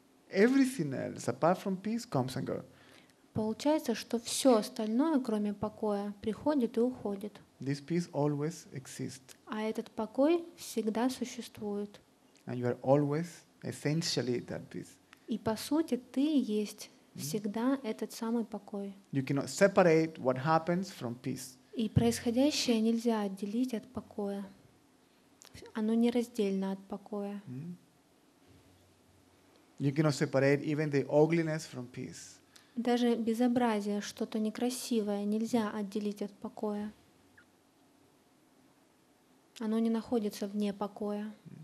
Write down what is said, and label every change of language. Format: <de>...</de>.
<en>Everything else apart from peace comes and goes.</en> <ru>Получается, что все остальное, кроме покоя, приходит и уходит.</ru> <en>This peace always exists.</en> <ru>А этот покой всегда существует.</ru> <en>And you are always essentially that peace.</en> <ru>И по сути ты есть всегда этот самый покой.</ru> <en>You cannot separate what happens from peace.</en> <ru>И происходящее нельзя отделить от покоя. Оно нераздельно от покоя.</ru> <en>You cannot separate even the ugliness from peace.</en> <ru>Даже безобразие, что-то некрасивое, нельзя отделить от покоя. Оно не находится вне покоя.</ru>